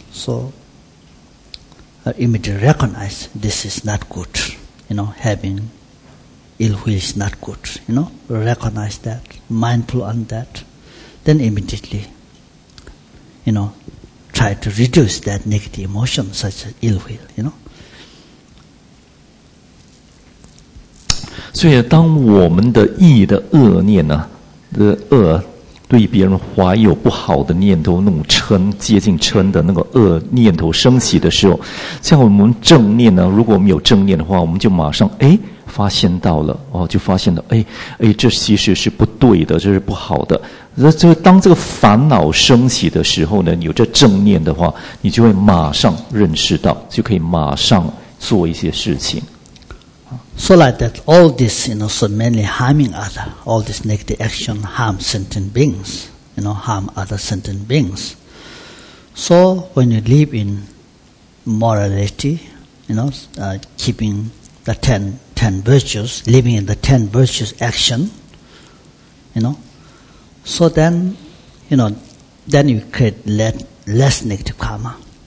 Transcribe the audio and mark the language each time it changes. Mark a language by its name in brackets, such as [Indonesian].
[English] So immediately recognize this is not good, you know. Having ill will is not good, you know. Recognize that, mindful on that, then immediately, you know, try to reduce that negative emotion such as ill will, you know. [Chinese] 所以当我们的意的恶念呢、啊、的恶对别人怀有不好的念头，那种嗔接近嗔的那个恶念头升起的时候，像我们正念呢，如果我们有正念的话，我们就马上哎发现到了，哦，就发现了，哎哎，这其实是不对的，这是不好的。那就当这个烦恼升起的时候呢，有这正念的话，你就会马上认识到，就可以马上做一些事情。 [English] So like that, all this, you know, so mainly harming other, all this negative action harm sentient beings, you know, harm other sentient beings. So when you live in morality, you know, keeping the ten virtues, living in the ten virtues action, you know, so then, you know, then you create less negative karma.